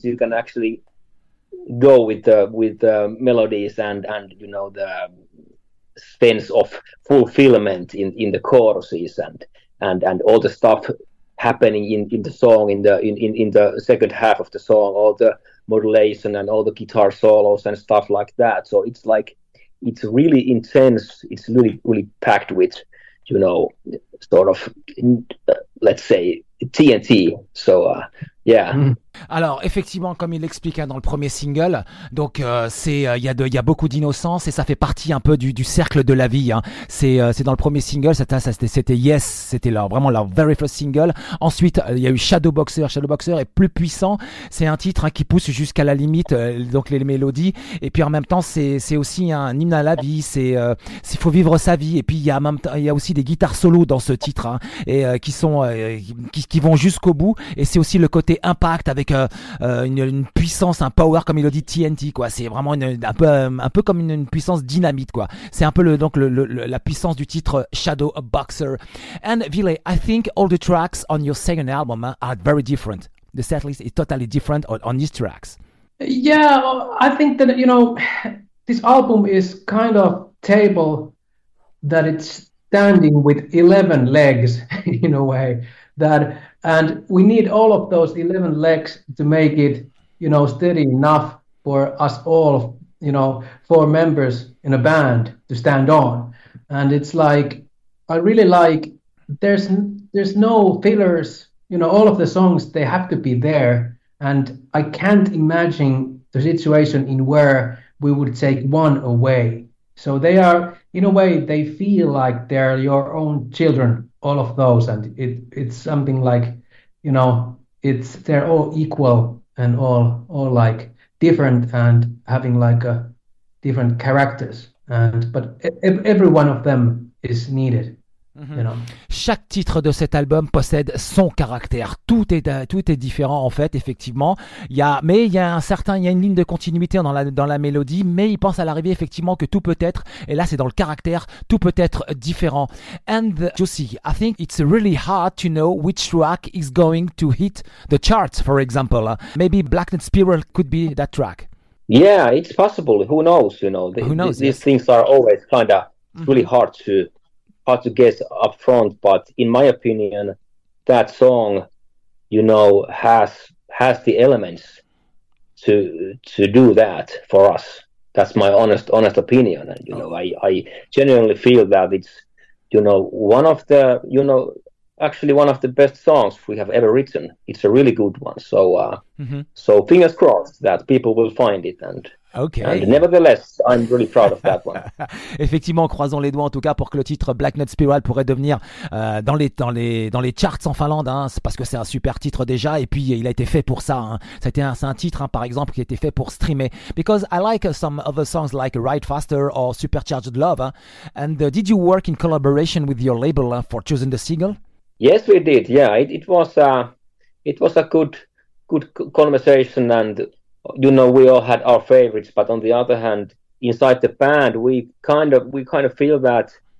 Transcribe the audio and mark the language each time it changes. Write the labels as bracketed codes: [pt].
[en] Mm-hmm. You can actually go with the melodies and you know the sense of fulfillment in the choruses and all the stuff happening in the song in the second half of the song, all the modulation and all the guitar solos and stuff like that. So it's like it's really intense. It's really really packed with, you know, sort of let's say TNT. So yeah. [fr] Alors effectivement, comme il l'explique hein, dans le premier single, donc il y a beaucoup d'innocence et ça fait partie un peu du cercle de la vie. Hein. C'est dans le premier single, c'était Yes, c'était vraiment leur [en] very first single. [fr] Ensuite, il y a eu Shadow Boxer est plus puissant. C'est un titre hein, qui pousse jusqu'à la limite donc les mélodies. Et puis en même temps, c'est aussi un hymne à la vie. C'est faut vivre sa vie. Et puis il y a aussi des guitares solos dans ce titre hein, et qui vont jusqu'au bout. Et c'est aussi le côté impact. Avec une puissance, un power comme il le dit, TNT quoi. C'est vraiment un peu comme une puissance dynamite quoi. C'est un peu la puissance du titre Shadow Boxer. [en] And Ville, I think all the tracks on your second album are very different. The setlist is totally different on these tracks. Yeah, I think that, you know, this album is kind of table that it's standing with 11 legs in a way. That and we need all of those 11 legs to make it, you know, steady enough for us all, you know, four members in a band to stand on. And it's like, I really like, there's no fillers, you know, all of the songs, they have to be there. And I can't imagine the situation in where we would take one away. So they are, in a way, they feel like they're your own children, all of those. And it's something like, you know, they're all equal and all like different and having like a different characters. But every one of them is needed. [fr] Chaque titre de cet album possède son caractère. Tout est différent en fait, effectivement. Il y a une ligne de continuité dans la mélodie, mais il pense à l'arrivée effectivement que tout peut être. Et là, c'est dans le caractère, tout peut être différent. [en] And Josie, I think it's really hard to know which track is going to hit the charts. For example, maybe Black Knight Spiral could be that track. Yeah, it's possible. Who knows? You know, these things are always kind of really hard to. Hard to guess up front, but in my opinion, that song, you know, has the elements to do that for us. That's my honest opinion. And, you know, I genuinely feel that it's, you know, one of the, you know, actually one of the best songs we have ever written. It's a really good one. So, so fingers crossed that people will find it and. Okay. And nevertheless, I'm really proud of that one. [fr] Effectivement, croisons les doigts en tout cas pour que le titre Black Knight Spiral pourrait devenir dans les charts en Finlande, hein, parce que c'est un super titre déjà. Et puis, il a été fait pour ça. Hein. C'est un titre, hein, par exemple, qui a été fait pour streamer. [en] Because I like some other songs like Ride Faster or Supercharged Love. Hein. And did you work in collaboration with your label for choosing the single? Yes, we did. Yeah, it was a good conversation and. You know, we all had our favorites, but on the other hand, inside the band, we kind of feel that